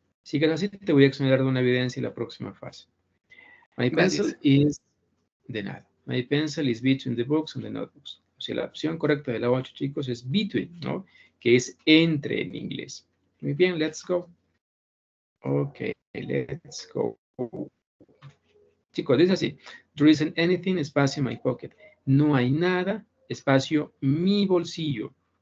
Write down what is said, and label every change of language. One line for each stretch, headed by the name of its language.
Spanish: Si quieres así, te voy a exonerar de una evidencia en la próxima fase.
English: My pencil is,
Spanish: de nada,
English: my pencil is between the books and the notebooks.
Spanish: O sea, la opción correcta de la 8, chicos, es between, ¿no? Que es entre en inglés. Muy bien,
English: let's go. Ok, let's go.
Spanish: Chicos, dice así.
English: There isn't anything, espacio, my pocket.
Spanish: No hay nada, espacio, mi bolsillo.